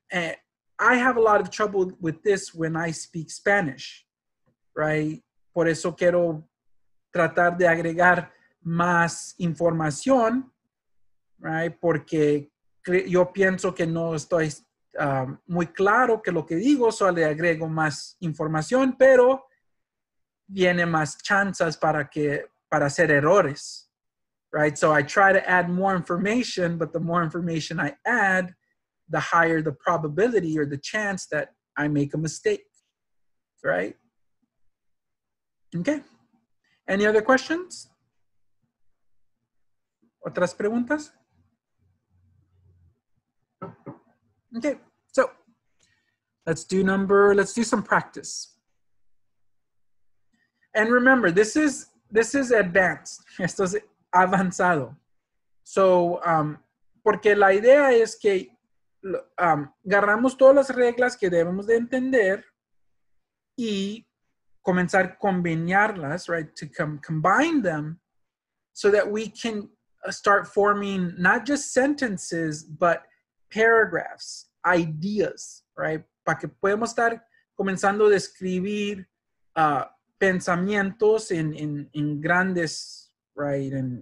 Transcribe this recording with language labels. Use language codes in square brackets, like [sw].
[en] And I have a lot of trouble with this when I speak Spanish, right? [es] Por eso quiero tratar de agregar más información, right? Porque yo pienso que no estoy muy claro que lo que digo, solo le agrego más información, pero viene más chances para hacer errores, right? [en] So I try to add more information, but the more information I add, the higher the probability or the chance that I make a mistake, right? Okay. Any other questions? [es] ¿Otras preguntas? [en] Okay. So, let's do some practice. And remember, this is advanced. [es] Esto es avanzado. So, porque la idea es que agarramos todas las reglas que debemos de entender y comenzar a combinarlas, right? [en] To combine them so that we can start forming not just sentences, but paragraphs, ideas, right? [es] Para que podamos estar comenzando a describir pensamientos en grandes, right?